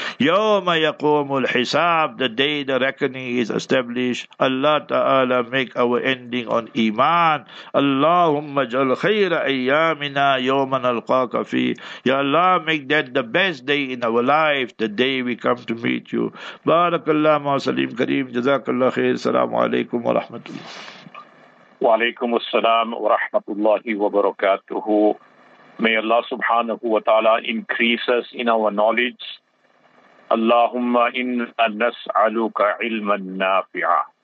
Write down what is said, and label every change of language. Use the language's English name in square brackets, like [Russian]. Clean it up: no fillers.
[Arabic] Yawma yaqumul hisab, [English] the day the reckoning is established. Allah Ta'ala make our ending on Iman. [Arabic] Allahumma jal khayra ayyamina yawma nalqaka fi. [English] Ya Allah, make that the best day in our life, the day we come to meet you. [Arabic] Barakallah ma salim kareem. جزاك الله خير السلام عليكم ورحمة الله وعليكم السلام ورحمة الله وبركاته. [English] May Allah subhanahu wa ta'ala increase us in our knowledge. [Arabic] اللهم إنا نسألك علما نافعا.